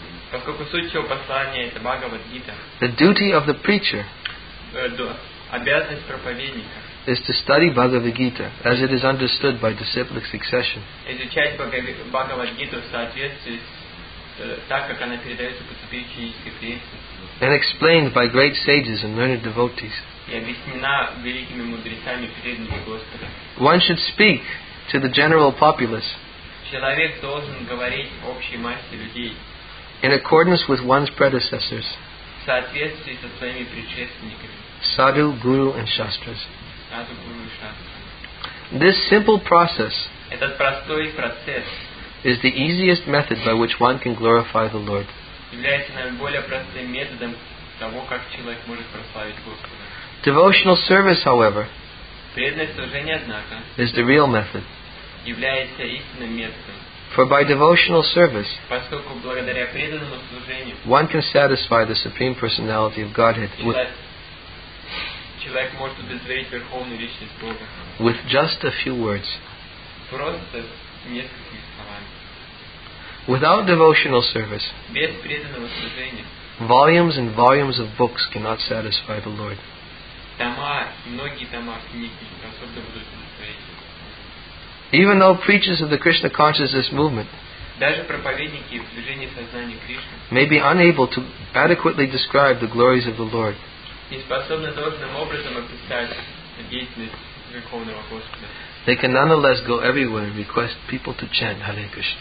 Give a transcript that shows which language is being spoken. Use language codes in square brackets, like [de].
[ru] поскольку суть всего послания это Бхагавад Гита. [en] The duty of the preacher. [ru] Обязанность проповедника. [en] Is to study Bhagavad Gita as it is understood by disciplic succession. [ru] Изучать Бхагавад Гиту в соответствии с так как она передается по ступенческой крестнице. [en] And explained by great sages and learned devotees. [ru] И объяснена великими мудрецами преданными Господа. [en] One should speak to the general populace. [ru] Человек должен говорить общей массе людей. [en] In accordance with one's predecessors, [ru] в соответствии со своими предшественниками, [en] sadhu, guru, and shastras. Sadhu, guru, and shastras. This simple process, [ru] этот простой процесс, [en] is the easiest method by which one can glorify the Lord. [ru] Является наиболее простым методом того, как человек может прославить Господа. [en] Devotional service, however, [ru] преданное служение, однако, [en] is the real method. [ru] Является истинным методом. [en] For by devotional service, [ru] поскольку благодаря преданному служению, [en] one can satisfy the Supreme Personality of Godhead [ru] человек может удовлетворить верховную личность Бога. [en] With just a few words. [ru] Просто несколькими словами. [en] Without devotional service, [ru] без преданного служения, [en] volumes and volumes of books cannot satisfy the Lord. [ru] Тома, многие тома книг не способны будут удовлетворить. [en] Even though preachers of the Krishna consciousness movement may be unable to adequately describe the glories of the Lord, they can nonetheless go everywhere and request people to chant Hare Krishna.